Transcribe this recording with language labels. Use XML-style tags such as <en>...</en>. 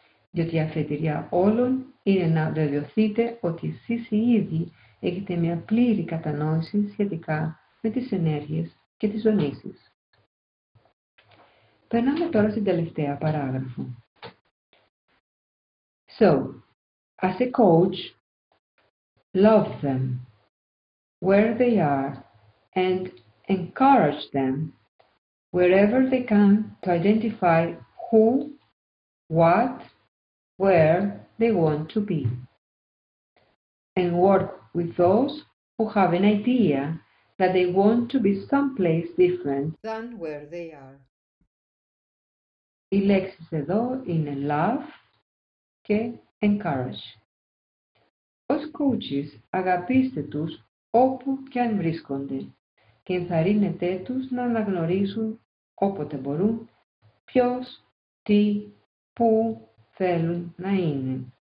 <el>Διότι η αφετηρία όλων είναι να βεβαιωθείτε ότι εσείς ήδη έχετε μια πλήρη κατανόηση σχετικά με τις ενέργειες και τις δονήσεις. Περνάμε τώρα στην τελευταία παράγραφο.</el> <en>So, as a coach, love them where they are and encourage them wherever they can to identify who, what, where they want to be, and work with those who have an idea that they want to be someplace different than where they are.</en> <el>Η λέξη εδώ είναι love και encourage. Ως coaches, αγαπήστε τους όπου και αν βρίσκονται και ενθαρρύνετε τους να αναγνωρίσουν όποτε μπορούν ποιος, τι, πού θέλουν να είναι.</el>